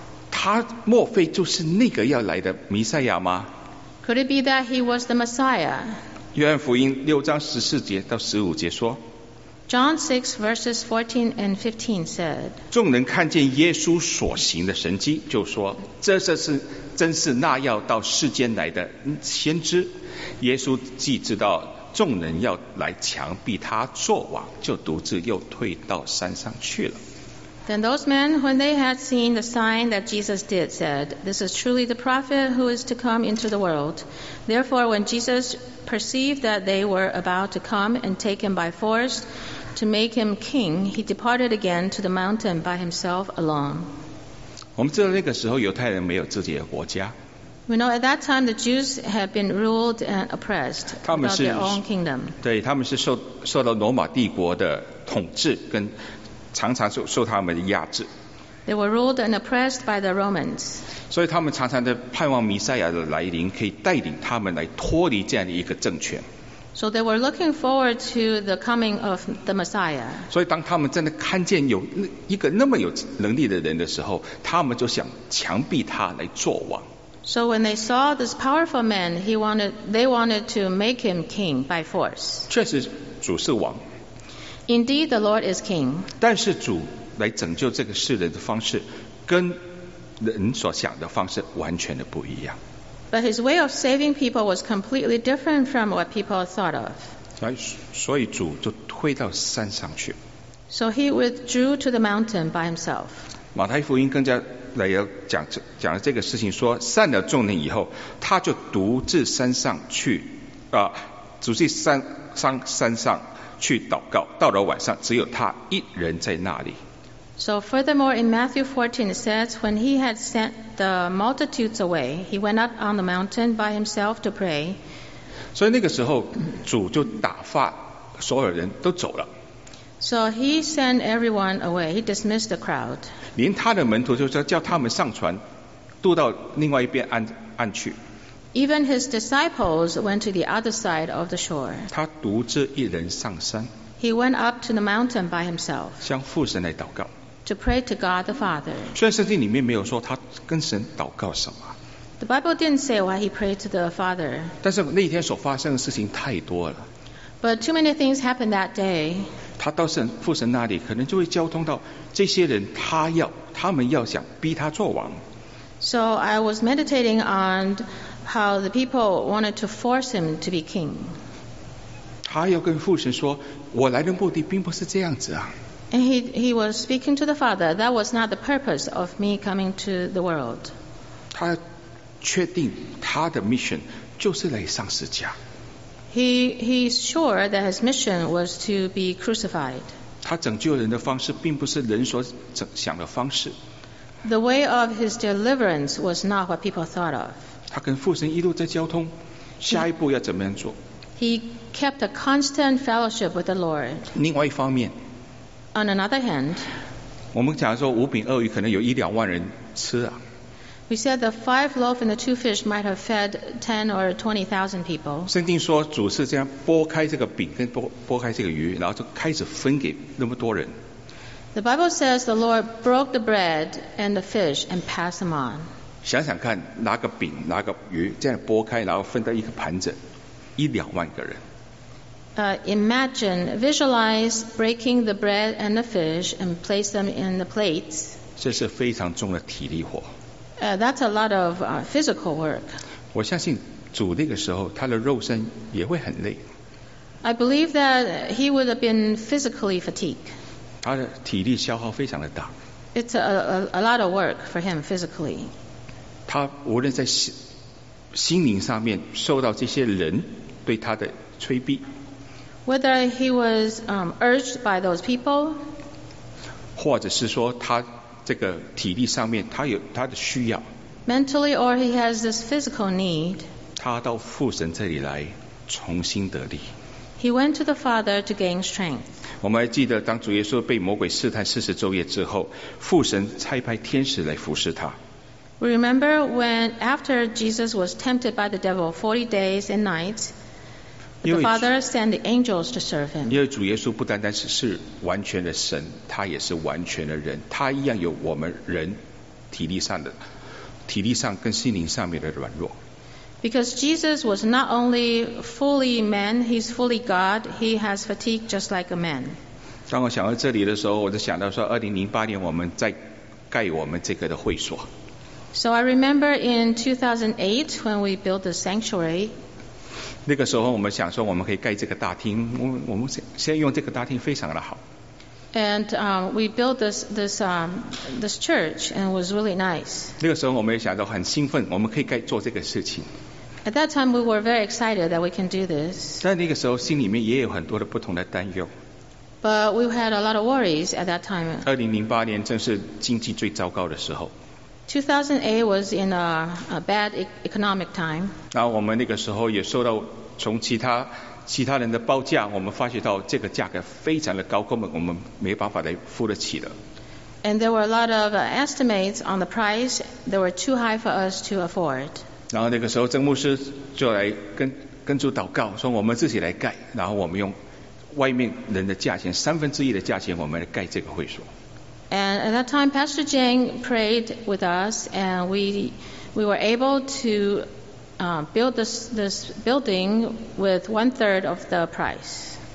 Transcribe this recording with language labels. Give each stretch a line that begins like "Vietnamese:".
Chinese: 他莫非就是那个要来的弥赛亚吗？
English: Could it be that he was the Messiah?
Chinese: 约翰福音六章十四节到十五节说。
English: John 6 verses 14 and 15 said.
Chinese: 众人看见耶稣所行的神迹，就说这是。真是那要到世间来的先知，耶稣既知道众人要来强逼他作王，就独自又退到山上去了。
English: Then those men, when they had seen the sign that Jesus did, said, "This is truly the prophet who is to come into the world." Therefore, when Jesus perceived that they were about to come and take him by force to make him king, he departed again to the mountain by himself alone.
Chinese: 我们知道那个时候犹太人没有自己的国家。
English: We know at that time the Jews had been ruled and oppressed about their own kingdom.
Chinese: 对，他们是受到罗马帝国的统治，跟常常受他们的压制。
English: They were ruled and oppressed by the Romans.
Chinese: 所以他们常常的盼望弥赛亚的来临，可以带领他们来脱离这样的一个政权。
English: So they were looking forward to the coming of the Messiah.
Chinese: 所以当他们真的看见有一个那么有能力的人的时候，他们就想强逼他来做王。
English: So when they saw this powerful man, they wanted to make him king by force.
Chinese: 确实，主是王。
English: Indeed, the Lord is king.
Chinese: 但是主来拯救这个世人的方式，跟人所想的方式完全的不一样。
English: But his way of saving people was completely different from what people thought of.
Chinese: 所以主就退到山上去。
English: So he withdrew to the mountain by himself.
Chinese: 马太福音更加来要讲这个事情，说散了众人以后，他就独自山上去，独自山上去祷告。到了晚上，只有他一人在那里。
English: So furthermore, in Matthew 14, it says, when he had sent the multitudes away, he went up on the mountain by himself to pray.
Chinese: 所以那个时候，主就打发所有人都走了。
English: So he sent everyone away. He dismissed the crowd.
Chinese: 连他的门徒就说叫他们上船，渡到另外一边岸去。
English: Even his disciples went to the other side of the shore.
Chinese: 他独自一人上山。
English: He went up to the mountain by himself.
Chinese: 向父神来祷告。
English: To pray to God the Father.
Chinese: 虽然圣经里面没有说他跟神祷告什么。
English: The Bible didn't say why he prayed to the Father.
Chinese: 但是那一天所发生的事情太多了。
English: But too many things happened that day.
Chinese: 他到父神那里，可能就会交通到这些人，他们要想逼他做王。
English: So I was meditating on how the people wanted to force him to be king.
Chinese: 他要跟父神说，我来的目的并不是这样子啊。
English: And he was speaking to the Father. That was not the purpose of me coming to the world.
Chinese: 他确定他的 mission 就是来上十字架。
English: He's sure that his mission was to be crucified.
Chinese: 他拯救人的方式并不是人所想的方式。
English: The way of his deliverance was not what people thought of.
Chinese: 他跟父神一路在交通，下一步要怎么样做？
English: He kept a constant fellowship with the Lord.
Chinese: 另外一方面。
English: On another hand,
Chinese: 我们讲说五饼二鱼可能有一两万人吃啊。
English: We said the five loaves and the two fish might have fed 10,000 or 20,000 people.
Chinese: 圣经说主是这样拨开这个饼跟拨开这个鱼，然后就开始分给那么多人。
English: The Bible says the Lord broke the bread and the fish and passed them on.
Chinese: 想想看，拿个饼，拿个鱼，这样拨开，然后分到一个盘子，一两万个人。
English: Imagine, visualize breaking the bread and the fish and place them in the plates.
Chinese: 这是非常重的体力活。
English: That's a lot of physical work.
Chinese: 我相信主那个时候他的肉身也会很累。
English: I believe that he would have been physically fatigued.
Chinese: 他的体力消耗非常的大。
English: It's a lot of work for him physically.
Chinese: 他无论在心灵上面受到这些人对他的催逼。
English: Whether he was urged by those people,
Chinese: 或者是说他这个体力上面他有他的需要
English: ，mentally or he has this physical need，
Chinese: 他到父神这里来重新得力。
English: He went to the Father to gain strength。
Chinese: 我们还记得当主耶稣被魔鬼试探40昼夜之后，父神差派天使来服侍他。
English: We remember when after Jesus was tempted by the devil 40 days and nights。 The Father sent the angels to serve him.
Chinese: 因为主耶稣不单单是完全的神，他也是完全的人，他一样有我们人体力上跟心灵上面的软弱。
English: Because Jesus was not only fully man, he's fully God. He has fatigue just like a man.
Chinese: 当我想到这里的时候，我就想到说，2008年我们在盖我们这个的会所。
English: So I remember in 2008 when we built the sanctuary.
Chinese: 那个时候我们想说我们可以盖这个大厅，我们先用这个大厅非常的好。
English: And we built this church and it was really nice.
Chinese: 那个时候我们也想到很兴奋，我们可以盖做这个事情。
English: At that time we were very excited that we can do this.
Chinese: 但那个时候心里面也有很多的不同的担忧。
English: But we had a lot of worries at that time.
Chinese: 2008年正是经济最糟糕的时候。
English: 2008 was in a bad economic time.
Chinese: 然后我们那个时候也受到从其他人的报价，我们发觉到这个价格非常的高，根本我们没办法来付得起的。
English: And there were a lot of estimates on the price that were too high for us to afford.
Chinese: 然后那个时候郑牧师就来跟主祷告，说我们自己来盖，然后我们用外面人的价钱，三分之一的价钱，我们来盖这个会所。
English: And at that time, Pastor Jing prayed with us, and we were able to build this building with 1/3 of the price.